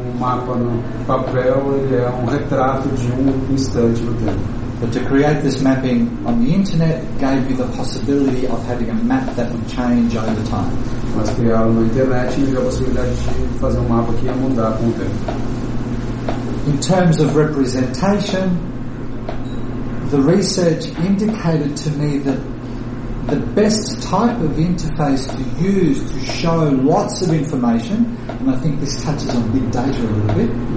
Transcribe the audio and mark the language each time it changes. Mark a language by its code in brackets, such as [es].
[pt] Mapa no papel, ele é retrato de instante no tempo. [en] But to create this mapping on the internet gave me the possibility of having a map that would change over time. [pt] Mas criá-lo na internet me deu a possibilidade de fazer mapa que ia mudar com o tempo. [en] In terms of representation, the research indicated to me that the best type of interface to use to show lots of information, and I think this touches on big data a little bit.